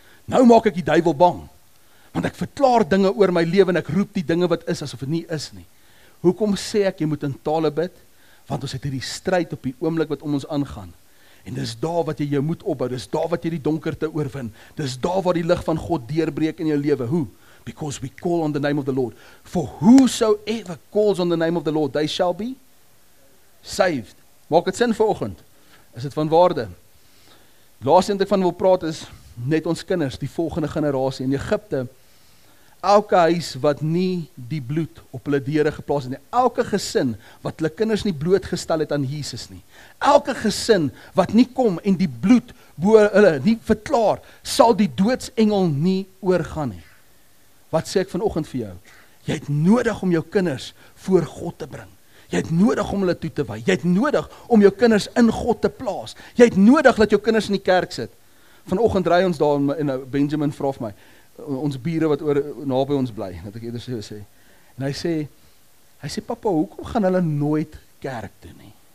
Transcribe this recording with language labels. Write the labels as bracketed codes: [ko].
[af] Nou maak ek die duiwel bang. Want ek verklaar dinge oor my lewe en ek roep die dinge wat is asof dit nie is nie. Hoekom sê ek jy moet in tale bid? Want ons het hierdie stryd op die oomblik wat om ons aangaan. En dis daar wat jy jou moed opbou. Dis daar wat jy die donkerte oorwin. Dis daar waar die lig van God deurbreek in jou lewe. Hoe? [en] Because we call on the name of the Lord. For whosoever calls on the name of the Lord, they shall be saved. [af] Maak dit sin vanoggend? Is dit van waarde? Laaste ding wat ek van wil praat is net ons kinders, die volgende generasie in Egipte. Elke huis wat nie die bloed op hulle deure geplaas het nie, elke gesin wat hulle kinders nie blootgestel het aan Jesus nie, elke gesin wat nie kom en die bloed bo hulle nie verklaar, sal die doodsengel nie oorgaan nie. Wat sê ek vanoggend vir jou? Jy het nodig om jou kinders voor God te bring. Jy het nodig om hulle toe te wy. Jy het nodig om jou kinders in God te plaas. Jy het nodig dat jou kinders in die kerk sit. Vanoggend ry ons daar en Benjamin vra vir my, ons bure wat oor naby ons bly, dat ek eerder sou sê. En hy sê pappa, hoekom gaan hulle nooit kerk toe nie?